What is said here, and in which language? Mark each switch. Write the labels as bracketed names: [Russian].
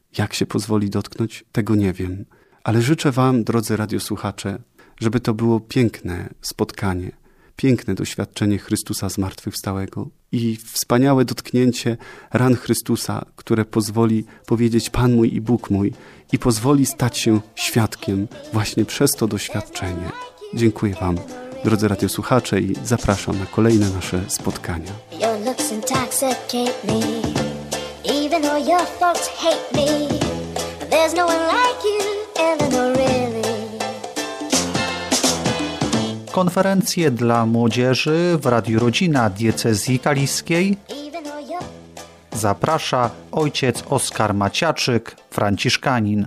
[Polish] Jak się pozwoli dotknąć, tego nie wiem. Ale życzę Wam, drodzy radiosłuchacze, żeby to było piękne spotkanie, piękne doświadczenie Chrystusa zmartwychwstałego i wspaniałe dotknięcie ran Chrystusa, które pozwoli powiedzieć: Pan mój i Bóg mój, i pozwoli stać się świadkiem właśnie przez to doświadczenie. Dziękuję Wam, drodzy radiosłuchacze, i zapraszam na kolejne nasze spotkania. [English] Your looks intoxicate me. Even though your folks hate me, there's no one like you, Eleanor, really. [Polish] Konferencje dla młodzieży w Radiu Rodzina Diecezji Kaliskiej zaprasza ojciec Oskar Maciaczyk, franciszkanin.